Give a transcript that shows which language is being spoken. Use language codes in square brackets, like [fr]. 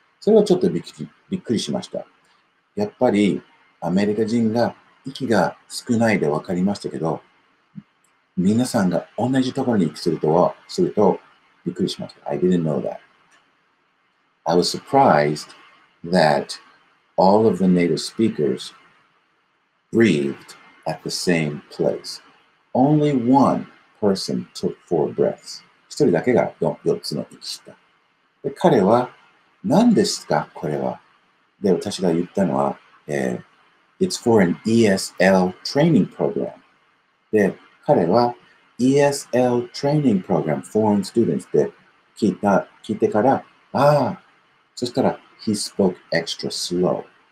[ja] それはちょっとびっくりしました。やっぱりアメリカ人が息が少ないで分かりましたけど、皆さんが同じところに息するとは、するとびっくりしました。 [en] I didn't know that. I was surprised that all of the native speakers breathed at the same place. Only one person took 4 breaths. [ja] 一人だけが4つの息した。で、彼は、何ですかこれは。で、私が言ったのは、 [en] It's for an ESL training program. [ja] で、彼は、 [en] ESL training program, foreign students [ja] で聞いてから、ああ、そしたら、 [en] he spoke extra slow.